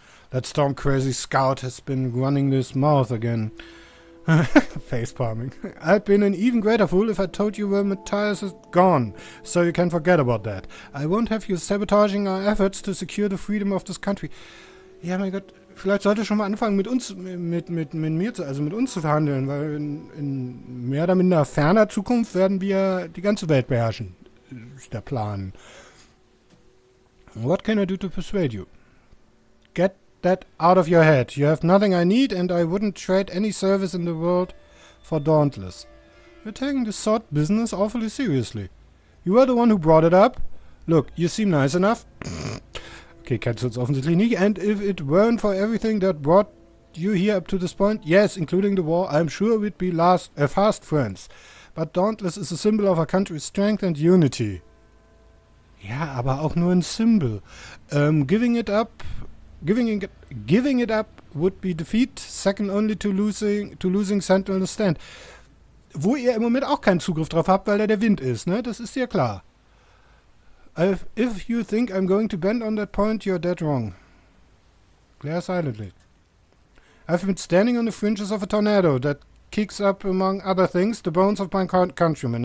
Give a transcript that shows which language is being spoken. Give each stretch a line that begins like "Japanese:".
English: That storm crazy scout has been running his mouth again. Facepalming. I'd been an even greater fool if I told you where Matthias is gone, so you can forget about that. I won't have you sabotaging our efforts to secure the freedom of this country.
German: Ja, mein Gott, vielleicht sollte schon mal anfangen, mit uns zu verhandeln, weil in mehr oder minder ferner Zukunft werden wir die ganze Welt beherrschen. Ist der Plan.
English: What can I do to persuade you? Get that out of your head. You have nothing I need and I wouldn't trade any service in the world for Dauntless. You're taking this sword business awfully seriously. You were the one who brought it up. Look, you seem nice enough.
German: Okay, kennst du uns offensichtlich nicht.
English: And if it weren't for everything that brought you here up to this point, yes, including the war, I'm sure we'd be fast friends. But Dauntless is a symbol of our country's strength and unity.
German: Ja, aber auch nur ein Symbol.
English: Giving it up would be defeat, second only to losing Sentinel in the stand.
German: Wo ihr im Moment auch keinen Zugriff drauf habt, weil da der Wind ist, ne? Das ist ja klar.
English: If you think I'm going to bend on that point, you're dead wrong. Glare silently. I've been standing on the fringes of a tornado that kicks up, among other things, the bones of my countrymen.